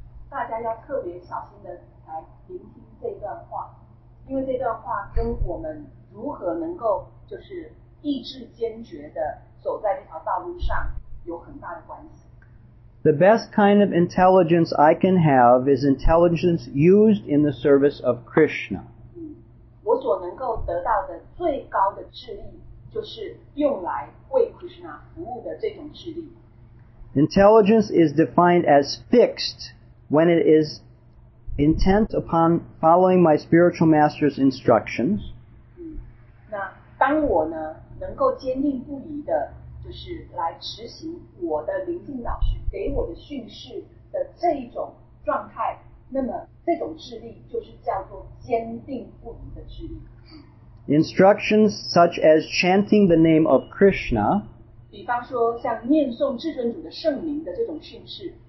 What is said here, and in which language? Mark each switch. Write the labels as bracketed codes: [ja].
[zh] 大家要特别小心的来聆听这段话，因为这段话跟我们如何能够就是意志坚决的走在这条道路上有很大的关系。 [en] The best kind of intelligence I can have is intelligence used in the service of Krishna. [zh] 我所能够得到的最高的智力就是用来为 Krishna 服务的这种智力。 [en] Intelligence is defined as fixed when it is intent upon following my spiritual master's instructions. [zh] 那当我呢能够坚定不移的就是来执行我的灵性导师给我的训示的这一种状态，那么这种智力就是叫做坚定不移的智力。 [en] Instructions such as chanting the name of Krishna, [zh] 比方说像念诵至尊主的圣名的这种训示，